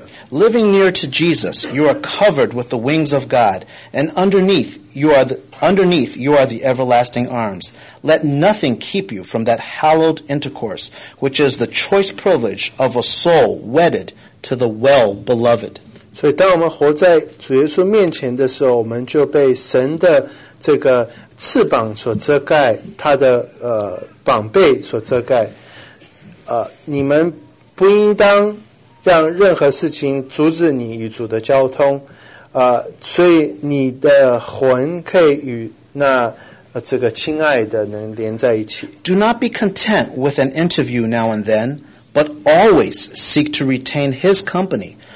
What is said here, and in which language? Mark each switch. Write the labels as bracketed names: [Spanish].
[English] Living near to Jesus, you are covered with the wings of God, and underneath you are the everlasting arms. Let nothing keep you from that hallowed intercourse, which is the choice privilege of a soul wedded to the well-beloved. [Chinese] 所以当我们活在主耶稣面前的时候，我们就被神的这个翅膀所遮盖，他的膀臂所遮盖。你们不应当让任何事情阻止你与主的交通，所以你的魂可以与那这个亲爱的能连在一起。 [English] Do not be content with an interview now and then, but always seek to retain his company.